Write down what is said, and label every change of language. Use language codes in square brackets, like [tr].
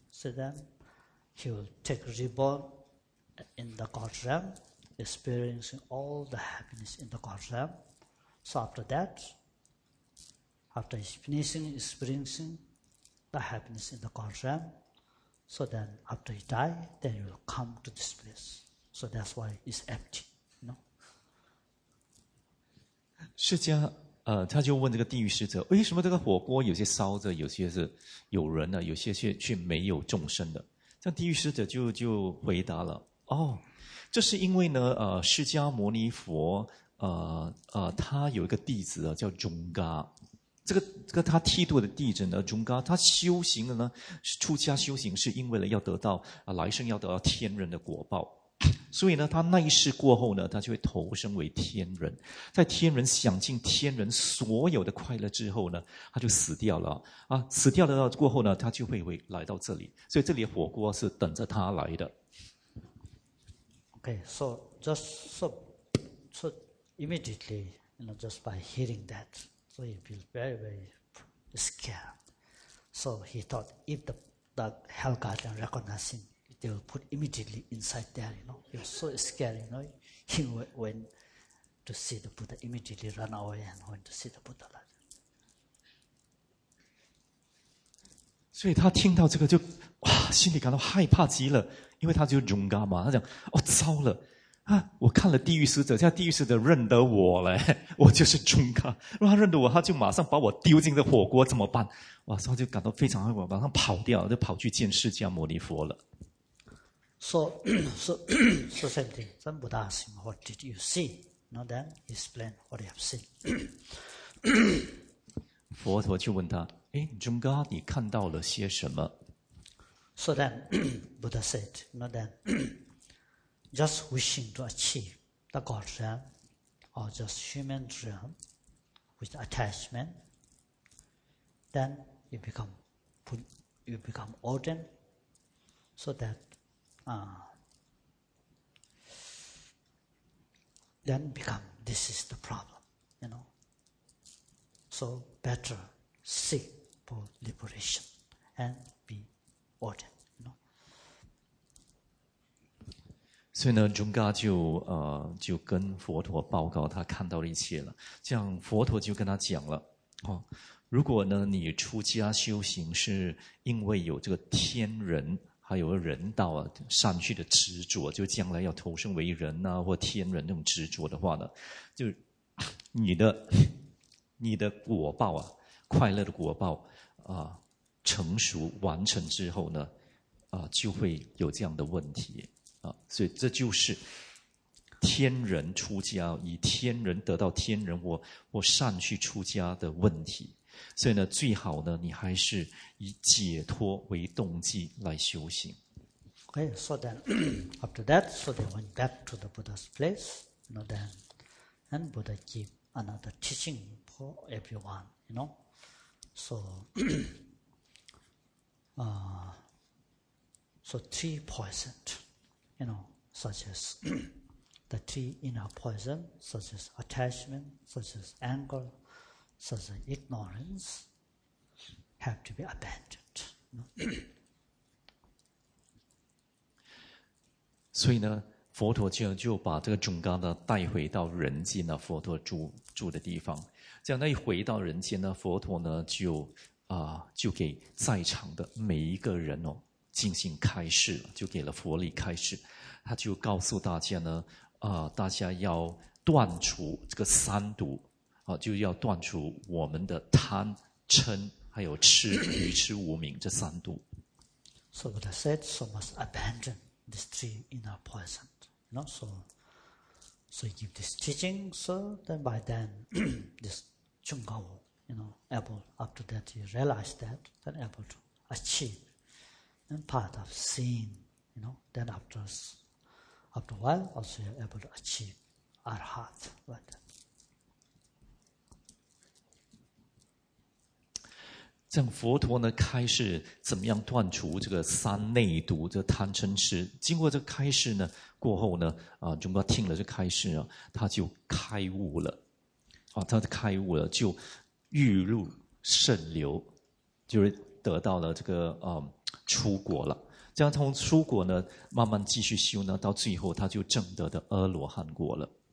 [en] So then he will take reborn in the God realm, experiencing all the happiness in the God realm. So after that, after he's finishing experiencing the happiness in the God realm, so then after he die, then he will come to this place. So that's why it's empty. [zh] 释迦，他就问这个地狱使者，为什么这个火锅有些烧着，有些是有人的，有些却没有众生的？这地狱使者就回答了，哦，这是因为呢，释迦牟尼佛，他有一个弟子啊，叫中嘎，这个他剃度的弟子呢，中嘎，他修行的呢，出家修行是因为了要得到来生要得到天人的果报。所以呢，他那一世过后呢，他就会投生为天人，在天人享尽天人所有的快乐之后呢，他就死掉了啊！死掉了过后呢，他就会来到这里，所以这里的火锅是等着他来的。 [en] Okay, so just so immediately, you know, just by hearing that, so he feels very very scared. So he thought if the hell garden recognize him. They will put immediately inside there, you know. He was so scared, you know. He went to see the Buddha, immediately ran away and went to see the Buddha. [zh] 所以他听到这个就哇，心里感到害怕极了，因为他就勇敢嘛。他讲：“哦，糟了啊！我看了地狱使者，现在地狱使者认得我了，我就是勇敢。如果他认得我，他就马上把我丢进这火锅，怎么办？” 哇，所以他就感到非常害怕，马上跑掉，就跑去见释迦牟尼佛了。 [en] So same thing. Then Buddha asked him, "What did you see?" Now then, he explained what he had seen. [zh] 佛陀就问他，诶，中嘎，你看到了些什么？ [en] So then, Buddha said, "Now then, just wishing to achieve the God realm or just human realm with attachment, then you become ordained, so that." Then become this is the problem, you know. So better seek for liberation and be ordained, you know. [zh] 所以呢，中嘎就跟佛陀报告他看到了一切了。这样佛陀就跟他讲了，哦，如果呢你出家修行是因为有这个天人。还有人道啊，善趣的执着，就将来要投生为人啊，或天人那种执着的话呢，就你的果报啊，快乐的果报啊，成熟完成之后呢，啊，就会有这样的问题啊，所以这就是天人出家，以天人得到天人或善趣出家的问题。所以呢，最好呢，你还是以解脱为动机来修行。 [en] Okay, so then after that, so they went back to the Buddha's place. You know, then and Buddha gave another teaching for everyone. You know, so so three poisons. You know, such as the three inner poisons, such as attachment, such as anger. So the ignorance have to be abandoned. [zh] 所以呢，佛陀就把这个中嘎呢带回到人间呢，佛陀住的地方。这样，那一回到人间呢，佛陀呢就给在场的每一个人哦进行开示，就给了佛力开示。他就告诉大家呢，大家要断除这个三毒。就要断除我们的贪嗔还有痴愚痴无明这三毒。 [en] So Buddha said, so must abandon these three inner poisons. You know, so he give this teaching. So then by then, this Junggao you know, able, after that you realize that, then able to achieve. And part of seeing, you know, then after a while, also you're able to achieve arhat, like that. [zh] 像佛陀呢开示怎么样断除这个三内毒这贪嗔痴，经过这开示呢过后呢中国听了这开示啊，他就开悟了啊，他开悟了就欲入圣流，就是得到了这个出果了，这样从出果呢慢慢继续修呢，到最后他就证得的阿罗汉果了。